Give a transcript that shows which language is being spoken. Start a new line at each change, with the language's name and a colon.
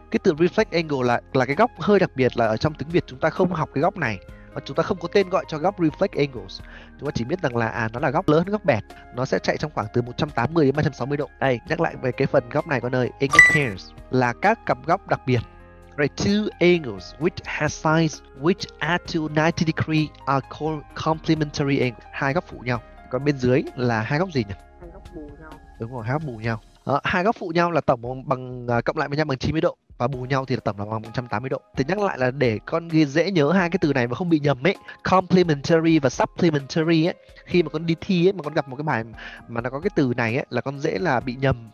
Vietnamese: Cái từ reflect angle là cái góc hơi đặc biệt, là ở trong tiếng Việt chúng ta không học cái góc này. Chúng ta không có tên gọi cho góc reflect angles. Chúng ta chỉ biết rằng là nó là góc lớn, góc bẹt. Nó sẽ chạy trong khoảng từ 180 đến 360 độ. Đây, nhắc lại về cái phần góc này con ơi. Angle pairs là các cặp góc đặc biệt.
English: Right, two angles which has sides which add to 90 degree are called complementary angles.
Vietnamese: Hai góc phụ nhau. Còn bên dưới là hai góc gì nhỉ? Hai góc bù nhau. Đúng rồi, hai góc bù nhau. Hai góc phụ nhau là tổng bằng cộng lại với nhau bằng 90 độ. Và bù nhau thì tổng là bằng 180 độ. Thì nhắc lại là để con ghi dễ nhớ hai cái từ này mà không bị nhầm ấy. Complementary và supplementary ấy. Khi mà con đi thi ấy, mà con gặp một cái bài mà nó có cái từ này ấy, là con dễ là bị nhầm.